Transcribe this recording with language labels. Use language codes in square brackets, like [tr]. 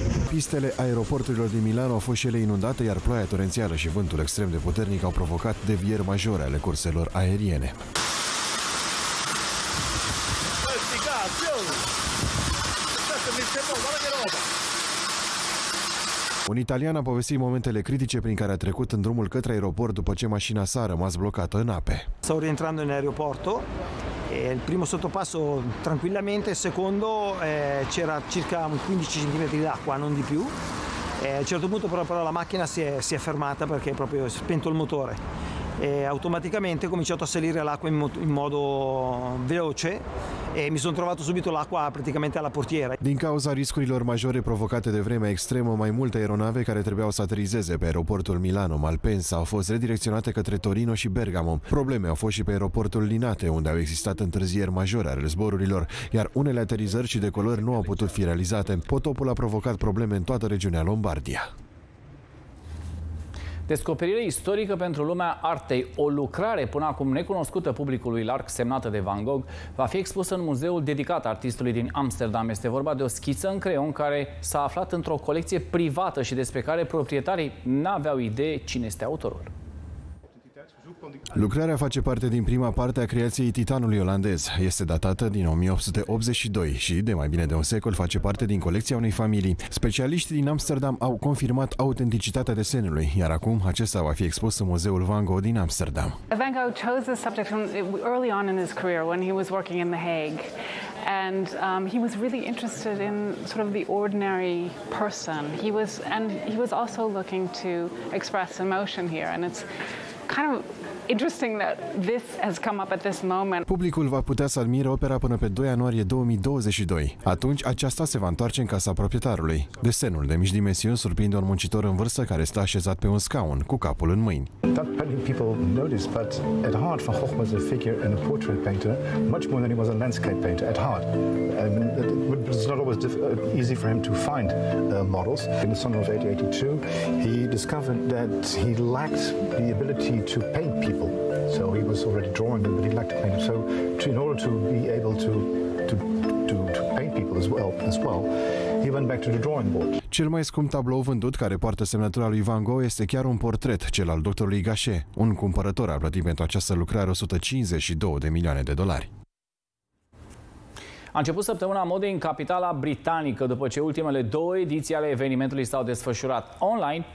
[ro] Pistele aeroporturilor din Milano au fost și ele inundate, iar ploaia torențială și vântul extrem de puternic au provocat devieri majore ale curselor aeriene. Un italian a povestit momentele critice prin care a trecut în drumul către aeroport după ce mașina sa a rămas blocată în ape. [it] Stau rientrando în aeroporto, il primo sottopasso tranquillamente, il secondo c'era circa 15 cm d'acqua, non di più. A un certo punto però la macchina si è fermata perché è proprio spento il motore. Automaticamente ho cominciato a salire l'acqua in modo veloce e mi sono trovato subito l'acqua praticamente alla portiera. [ro] Din cauza riscurilor majore provocate de vremea extremă, mai multe aeronave care trebuiau să aterizeze pe aeroportul Milano Malpensa au fost redirecționate către Torino și Bergamo. Probleme au fost și pe aeroportul Linate, unde au existat întârzieri majore ale zborurilor, iar unele aterizări și decolări nu au putut fi realizate. Potopul a provocat probleme în toată regiunea Lombardia. Descoperire istorică pentru lumea artei, o lucrare până acum necunoscută publicului larg, semnată de Van Gogh, va fi expusă în muzeul dedicat artistului din Amsterdam. Este vorba de o schiță în creion care s-a aflat într-o colecție privată și despre care proprietarii n-aveau idee cine este autorul. Lucrarea face parte din prima parte a creației titanului olandez. Este datată din 1882 și, de mai bine de un secol, face parte din colecția unei familii. Specialiștii din Amsterdam au confirmat autenticitatea desenului, iar acum acesta va fi expus în Muzeul Van Gogh din Amsterdam. [en] Van Gogh chose this subject early on in his career when he was working in The Hague. And he was really interested in sort of the ordinary person. He was also looking to express emotion here, and it's kind of interesting that this has come up at this moment. [ro] Publicul va putea să admire opera până pe 2 ianuarie 2022. Atunci aceasta se va întoarce în casa proprietarului. Desenul de mici dimensiuni surprinde un muncitor în vârstă care stă așezat pe un scaun cu capul în mâini. [en] Not many people notice, but at heart Van Gogh was a figure and a portrait painter, much more than he was a landscape painter at heart. It's not always easy for him to find models. In the summer of 1882, he discovered that he lacked the ability to paint people. So he was already drawing them, but he lacked to paint them. So in order to be able to paint people as well, he went back to the drawing board. [ro] Cel mai scump tablou vândut care poartă semnătura lui Van Gogh este chiar un portret, cel al doctorului Gachet. Un cumpărător a plătit pentru această lucrare 152 de milioane de dolari. A început săptămâna modei în capitala britanică, după ce ultimele două ediții ale evenimentului s-au desfășurat online.